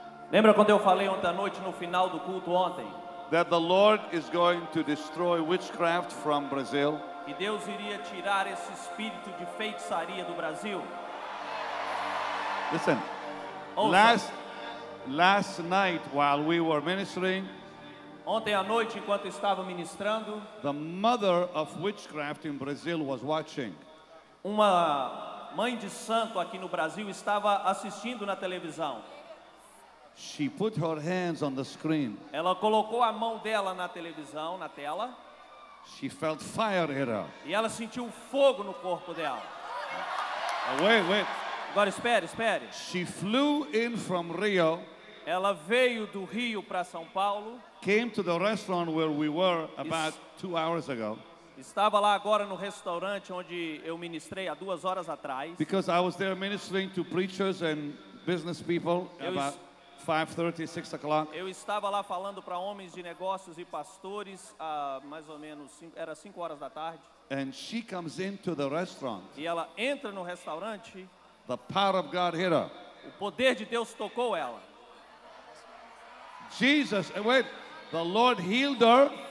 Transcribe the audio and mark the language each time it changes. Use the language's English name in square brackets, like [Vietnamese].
[Portuguese] Lembra quando eu falei ontem à noite no final do culto ontem? [English] That the Lord is going to destroy witchcraft from Brazil. [Portuguese] E Deus iria tirar esse espírito de feitiçaria do Brasil. [English] Listen. Last night while we were ministering, [Portuguese] ontem à noite, enquanto estava ministrando, [English] the mother of witchcraft in Brazil was watching. [Portuguese] Uma mãe de santo aqui no Brasil estava assistindo na televisão. [English] She put her hands on the screen. [Portuguese] Ela colocou a mão dela na televisão, na tela. [English] She felt fire in her. [Portuguese] E ela sentiu fogo no corpo dela. [English] Wait. [Portuguese] Agora espere. [English] She flew in from Rio. [Portuguese] Ela veio do Rio para São Paulo. [English] Came to the restaurant where we were about 2 hours ago. [Portuguese] Estava lá agora no restaurante onde eu ministrei há 2 horas atrás. [English] Because I was there ministering to preachers and business people about 5:30, 6 o'clock. [Portuguese] Eu estava lá falando para homens de negócios e pastores há mais ou menos 5 horas da tarde. [English] And she comes into the restaurant. [Portuguese] E ela entra no restaurante. [English] The power of God hit her. [Portuguese] O poder de Deus tocou ela. [English] The Lord healed her.